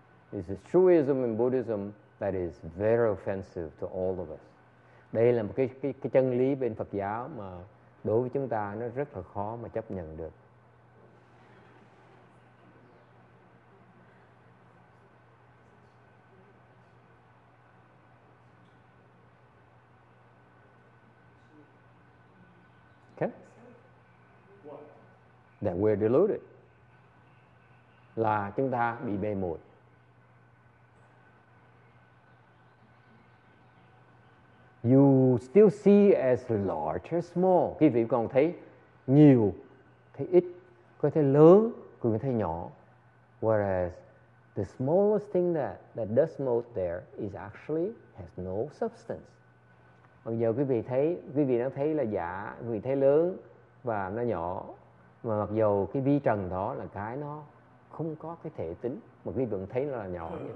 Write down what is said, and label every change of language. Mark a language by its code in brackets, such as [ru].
[en] This is truism in Buddhism that is very offensive to all of us. [vi] Đây là một cái chân lý bên Phật giáo mà đối với chúng ta nó rất là khó mà chấp nhận được. [en] Okay? What? That we're deluded. [vi] Là chúng ta bị mê muội. [en] You still see as large or small. [vi] Quý vị còn thấy nhiều, thấy ít, có thể lớn, có thể nhỏ. [en] Whereas the smallest thing that does most there is actually has no substance. [vi] Bây giờ quý vị đang thấy là giả, quý vị thấy lớn và nó nhỏ. Mà mặc dù cái vi trần đó là cái nó không có cái thể tính, mà quý vị vẫn thấy nó là nhỏ.